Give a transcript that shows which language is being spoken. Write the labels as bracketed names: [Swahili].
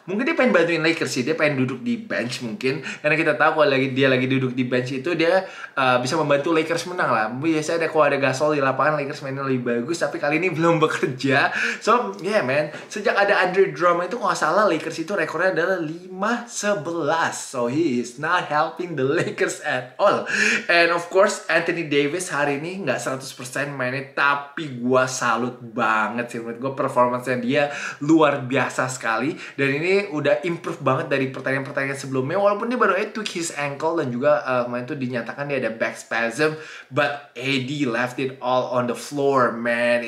[Indonesian] Mungkin dia pengen bantuin Lakers sih. Dia pengen duduk di bench mungkin. Karena kita tahu kalau dia lagi duduk di bench itu, dia bisa membantu Lakers menang lah. Biasanya ada, kalau ada Gasol di lapangan, Lakers mainnya lebih bagus. Tapi kali ini belum bekerja. [English] So, yeah man, [Indonesian] sejak ada Andre Drummond itu, nggak salah Lakers itu rekornya adalah 5-11. [English] So he is not helping the Lakers at all. And of course, [Indonesian] Anthony Davis hari ini nggak 100% mainnya, tapi gue salut banget sih. Menurut gue performance-nya dia luar biasa sekali. Dan ini udah improve banget dari pertandingan-pertandingan sebelumnya, walaupun dia baru [English] tweak his ankle, [Indonesian] dan juga kemarin tuh dinyatakan dia ada back spasm. [English] But AD left it all on the floor, man.